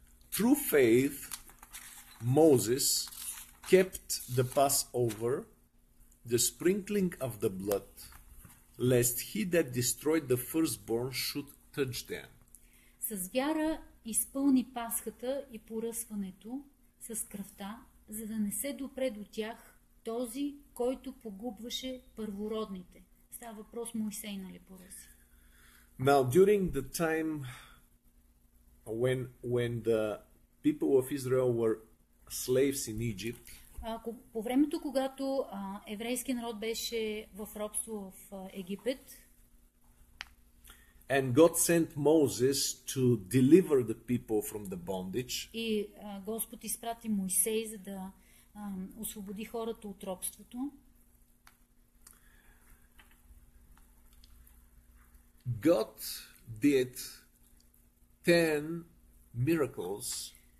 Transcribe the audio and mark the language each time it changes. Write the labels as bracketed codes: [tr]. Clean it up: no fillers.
[en] Through faith Moses kept the Passover, the sprinkling of the blood, lest he that destroyed the firstborn should touch them. [bg] С вяра изпълни Пасхата и поръсването с кръвта, за да не се допре до тях този, който погубваше първородните. Става въпрос Моисей, нали поръси? [en] Now, during the time when the people of Israel were slaves in Egypt, [bg] по времето, когато еврейският народ беше в робство в Египет, [en] and God sent Moses to deliver the people from the bondage. [bg] И Господ изпрати Моисей, за да освободи хората от робството. [en] God did 10 miracles.